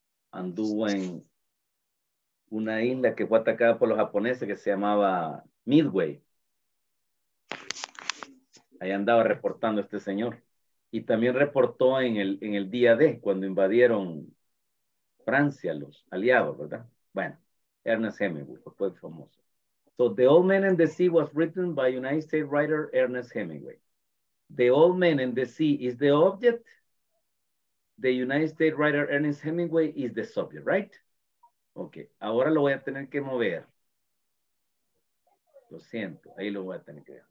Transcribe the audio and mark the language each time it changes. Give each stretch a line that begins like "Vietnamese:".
Spanish: Anduvo en una isla que fue atacada por los japoneses que se llamaba Midway. Ahí andaba reportando este señor. Y también reportó en el día D, cuando invadieron Francia los aliados, ¿verdad? Bueno, Ernest Hemingway fue famoso.
English: So, The Old Man and the Sea was written by United States writer Ernest Hemingway. The Old Man and the Sea is the object. The United States writer Ernest Hemingway is the subject, right?
Spanish: Ok, ahora lo voy a tener que mover. Lo siento, ahí lo voy a tener que ver.